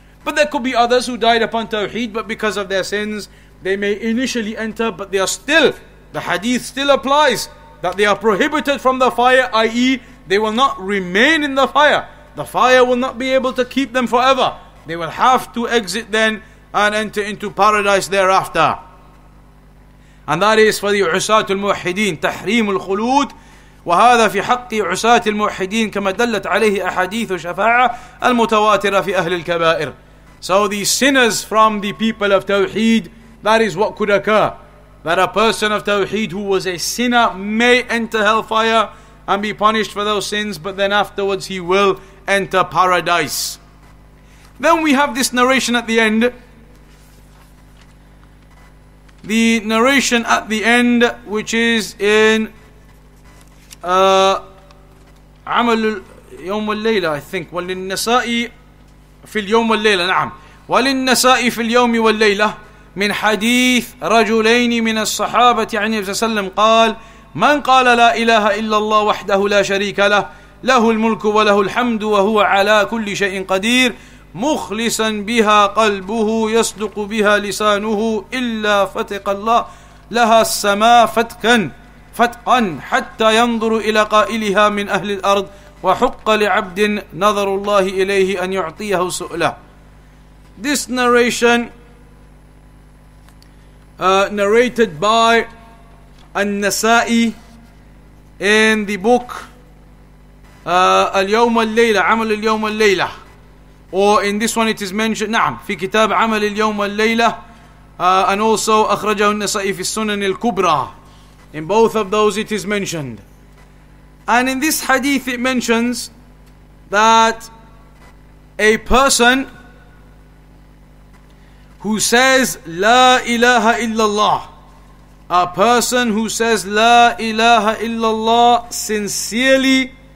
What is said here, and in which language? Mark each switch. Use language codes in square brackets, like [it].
[en] But there could be others who died upon Tawheed, but because of their sins, they may initially enter, but they are still, the hadith still applies, that they are prohibited from the fire, i.e. they will not remain in the fire. The fire will not be able to keep them forever. They will have to exit then and enter into paradise thereafter. And that is for the [ar] عُسَاةُ الْمُوحِدِينَ تَحْرِيمُ الْخُلُودِ وَهَذَا فِي حَقِّ عُسَاةِ الْمُوحِدِينَ كَمَا دَلَّتْ عَلَيْهِ أَحَدِيثُ شَفَاعَةَ الْمُتَوَاتِرَةَ فِي أَهْلِ الْكَبَائِرِ. [en] So the sinners from the people of Tawheed, that is what could occur. That a person of Tawheed who was a sinner may enter hellfire and be punished for those sins, but then afterwards he will enter paradise. Then we have this narration at the end. The narration at the end, which is in عمل يوم الليلة, I think. [ar] وللنساء في اليوم والليلة, نعم. وللنساء في اليوم والليلة من حديث رجلين من الصحابة عن النبي صلى الله عليه وسلم قال من قال لا إله إلا الله وحده لا شريك له له الملك وله الحمد وهو على كل شيء قدير مخلصا بها قلبه يصدق بها لسانه إلا فتق الله لها السماء فتقا حتى ينظر إلى قائلها من أهل الأرض وحق لعبد نظر الله إليه أن يعطيه سؤله. [en] This narration narrated by An-Nasa'i in the book اليوم الليلة, عمل اليوم الليلة. Or in this one it is mentioned, [ar] نعم, في كتاب عمل اليوم والليلة, [en] and also [ar] أخرجه النسائي في السنن الكبرى. [en] In both of those it is mentioned. And in this hadith it mentions that a person who says [ar] لا إله إلا الله, [en] a person who says لا إله إلا الله sincerely